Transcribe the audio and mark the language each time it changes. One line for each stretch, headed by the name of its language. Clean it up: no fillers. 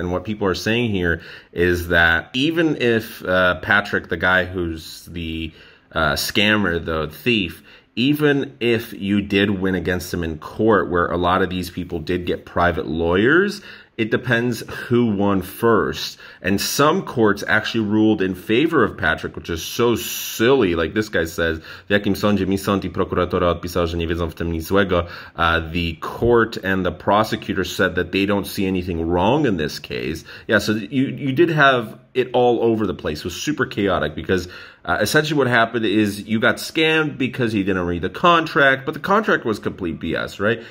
English: And what people are saying here is that even if Patrick, the guy who's the scammer, the thief, even if you did win against them in court, where a lot of these people did get private lawyers, it depends who won first. And some courts actually ruled in favor of Patrick, which is so silly. Like this guy says,
Polish: "W jakim sądzie mi sąd i prokuratora odpisał, że nie wiedzą w tym nic złego."
English: The court and the prosecutor said that they don't see anything wrong in this case. Yeah, so you did have it all over the place. It was super chaotic because essentially what happened is you got scammed because he didn't read the contract, but the contract was complete BS, right?